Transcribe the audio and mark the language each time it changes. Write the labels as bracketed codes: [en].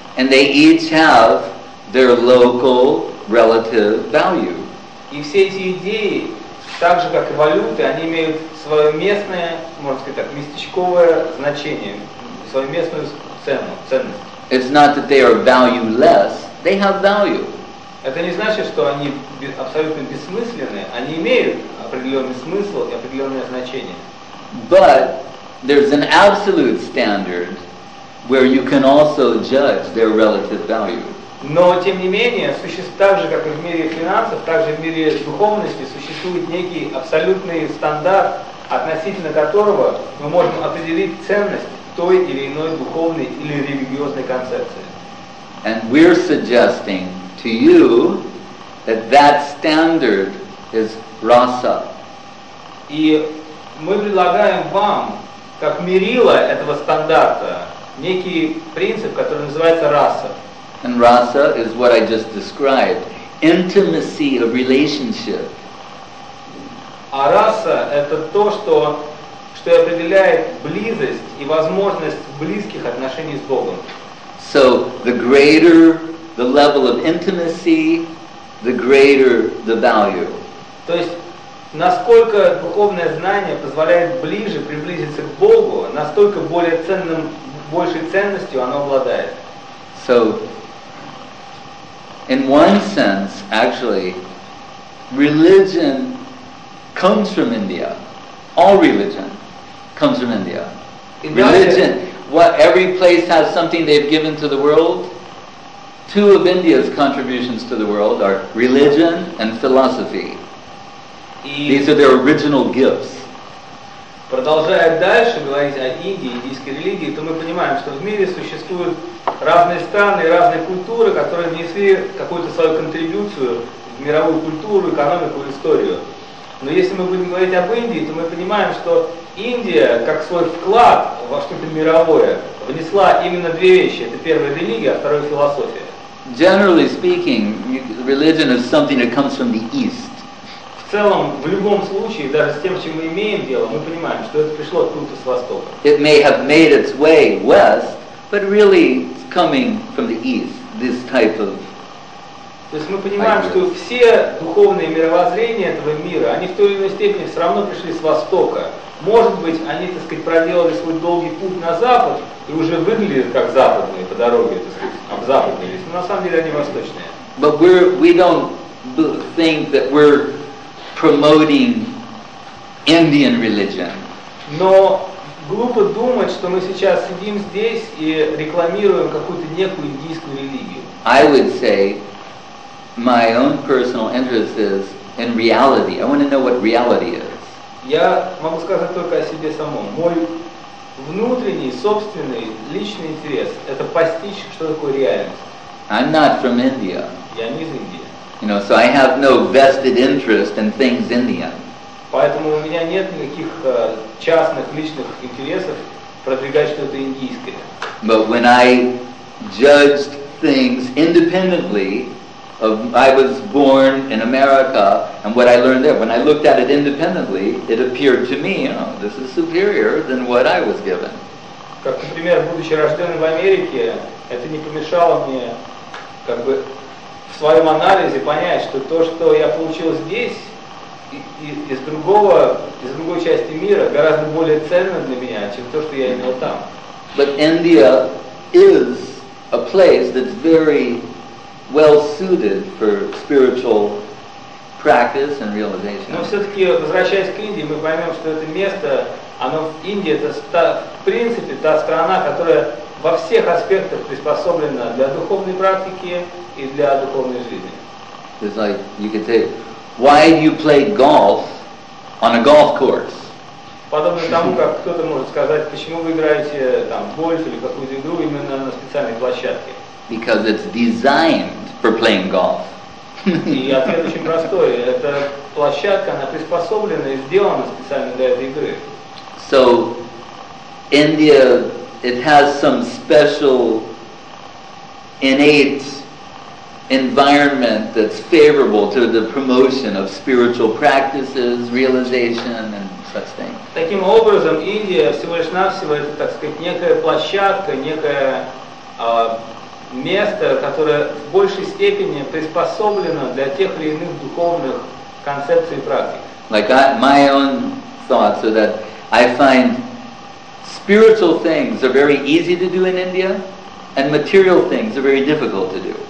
[en] And they each have their local relative value. [ru] И все эти идеи, так же как и валюты, они имеют свое местное, можно сказать так, местечковое значение, свою местную цену, ценность. [en] It's not that they are valueless, they have value. [ru] Это не значит, что они абсолютно бессмысленны, они имеют определенный смысл и определенное значение. [en] But there's an absolute standard where you can also judge their relative value. [ru] Но, тем не менее, существует так же, как и в мире финансов, так же в мире духовности, существует некий абсолютный стандарт, относительно которого мы можем определить ценность той или иной духовной или религиозной концепции. [en] And we're suggesting to you that that standard is rasa. [ru] И мы предлагаем вам, как мерило этого стандарта, некий принцип, который называется раса. [en] And rasa is what I just described. Intimacy, a relationship. [ru] А раса — это то, что, что определяет близость и возможность близких отношений с Богом. [en] So, the greater the level of intimacy, the greater the value. [ru] То есть, насколько духовное знание позволяет ближе приблизиться к Богу, настолько более ценным, большей ценностью оно обладает. [en] So, in one sense, actually, religion comes from India. All religion comes from India. Religion, what, every place has something they've given to the world? Two of India's contributions to the world are religion and philosophy. These are their original gifts. [ru] Продолжая дальше говорить о Индии, индийской религии, то мы понимаем, что в мире существуют разные страны, разные культуры, которые внесли какую-то свою контрибуцию в мировую культуру, экономику, историю. Но если мы будем говорить об Индии, то мы понимаем, что Индия, как свой вклад во что-то мировое, внесла именно две вещи. Это первая религия, а вторая философия. [en] Generally speaking, religion is something that comes from the East. [ru] В целом, в любом случае, даже с тем, чем мы имеем дело, мы понимаем, что это пришло откуда-то с Востока. [en] It may have made its way west, but really it's coming from the East, this type of... [ru] То есть мы понимаем, что все духовные мировоззрения этого мира, они в той или иной степени все равно пришли с Востока. Может быть, они, так сказать, проделали свой долгий путь на Запад и уже выглядят как западные по дороге, так сказать, обзападнились, но на самом деле они восточные. [en] But we don't think that we're promoting Indian religion. [ru] Но глупо думать, что мы сейчас сидим здесь и рекламируем какую-то некую индийскую религию. [en] I would say my own personal interest is in reality. I want to know what reality is. [ru] Я могу сказать только о себе самом. Мой внутренний, собственный, личный интерес — это постичь, что такое реальность. [en] I'm not from India. [ru] Я не из Индии. [en] You know, so I have no vested interest in things Indian. [ru] Поэтому у меня нет никаких частных, личных интересов продвигать что-то индийское. [en] But when I judged things independently, I was born in America, and what I learned there, when I looked at it independently, it appeared to me, you know, this is superior than what I was given. [ru] Как, например, будучи рожденным в Америке, это не помешало мне, как бы, в своем анализе понять, что то, что я получил здесь, из другой части мира, гораздо более ценно для меня, чем то, что я имел там. [en] But India is a place that's very well suited for spiritual practice and realization. [ru] Но все-таки, возвращаясь к Индии, мы поймем, что это место, оно в Индии, это в принципе та страна, которая во всех аспектах приспособлена для духовной практики и для духовной жизни. [en] It's like you could say, why do you play golf on a golf course? [ru] Подобно тому, как кто-то может сказать, почему вы играете там гольф или какую-то игру именно на специальной площадке? [en] Because it's designed for playing golf. [ru] И ответ очень простой. Эта площадка, она приспособлена и сделана специально для этой игры. [en] So, India, it has some special innate environment that's favorable to the promotion of spiritual practices, realization, and such things. [ru] Таким образом, Индия всего лишь навсего, это, так сказать, некая площадка, некая... место, которое в большей степени приспособлено для тех или иных духовных концепций и практик. [en] Like my own thoughts are that I find spiritual things are very easy to do in India, and material things are very difficult to do.